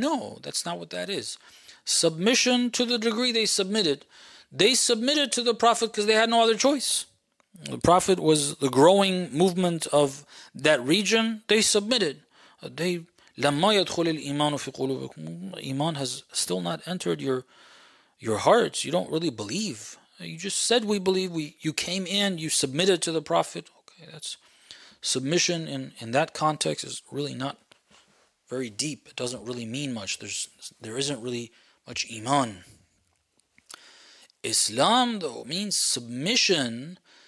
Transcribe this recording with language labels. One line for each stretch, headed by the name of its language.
English: No, that's not what that is. Submission to the degree they submitted. They submitted to the Prophet because they had no other choice. The Prophet was the growing movement of that region. They submitted. They
Arabic: لَمَّا يَدْخُلِ الْإِيمَانُ فِي قُلُوبِكُمْ.
English: Iman has still not entered your hearts. You don't really believe. You just said we believe. You came in, you submitted to the Prophet. Okay, that's submission in that context is really not very deep. It doesn't really mean much. There isn't really much Iman. Islam, though, means submission